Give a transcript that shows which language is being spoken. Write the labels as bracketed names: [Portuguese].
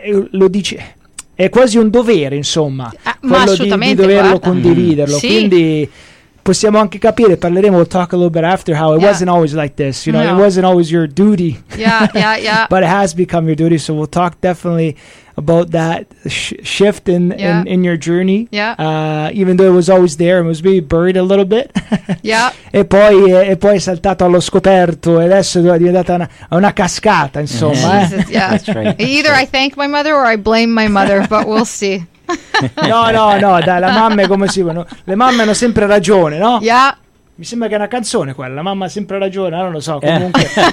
[Italian] Lo dice, è quasi un dovere, insomma, quello di doverlo condividerlo. Quindi possiamo anche capire, parleremo, [English] we'll talk a little bit after, how it wasn't always like this, you know. It wasn't always your duty, but it has become your duty, so we'll talk definitely about that shift in your journey, even though it was always there, it was maybe buried a little bit, [Italian] e poi è saltato allo scoperto, e adesso è diventata una cascata, insomma. [English] That's right. Either I thank my mother or I blame my mother, but we'll see. [Italian] No, dai, la mamma è come si vuole, le mamme hanno sempre ragione, no? Mi sembra che è una canzone quella, la mamma ha sempre ragione, non lo so, comunque.